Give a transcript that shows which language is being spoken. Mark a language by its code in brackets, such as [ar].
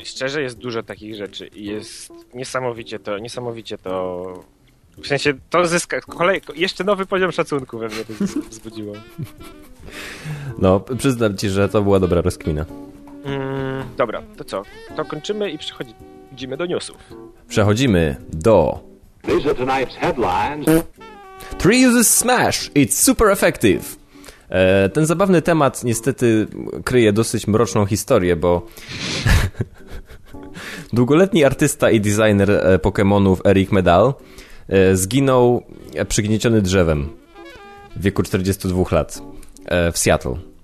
[pl] Szczerze, jest dużo takich rzeczy i jest niesamowicie to... W sensie, to zyska... jeszcze nowy poziom szacunku we mnie to wzbudziło. No, przyznam ci, że to była dobra rozkmina. Dobra, to co? To kończymy i przechodzimy do newsów. Przechodzimy do... [en] These are tonight's headlines. Three uses Smash. It's super effective. [pl] Ten zabawny temat niestety kryje dosyć mroczną historię, bo... Długoletni artysta i designer Pokemonów Eric Medal zginął przygnieciony drzewem w wieku 42 lat w Seattle.